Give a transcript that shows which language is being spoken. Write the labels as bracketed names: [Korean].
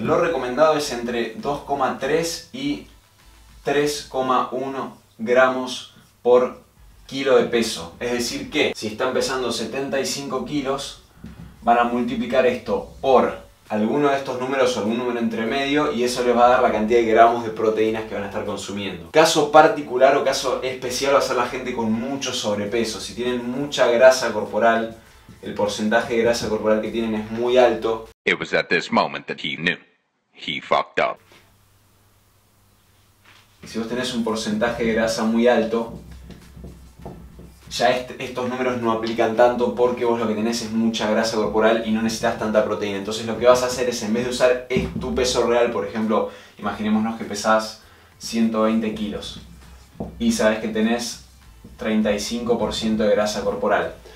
[Spanish] Lo recomendado es entre 2,3 y 3,1 gramos por kilo de peso, es decir que si están pesando 75 kilos van a multiplicar esto por alguno de estos números o algún número entre medio, y eso les va a dar la cantidad de gramos de proteínas que van a estar consumiendo. Caso particular o caso especial va a ser la gente con mucho sobrepeso. Si tienen mucha grasa corporal, el porcentaje de grasa corporal que tienen es muy alto. [English] It was at this moment that he knew he fucked up. [Spanish] Si vos tenés un porcentaje de grasa muy alto, ya estos números no aplican tanto, porque vos lo que tenés es mucha grasa corporal y no necesitas tanta proteína. Entonces lo que vas a hacer es, en vez de usar tu peso real, por ejemplo, imaginémonos que pesás 120 kilos y sabes que tenés 35% de grasa corporal.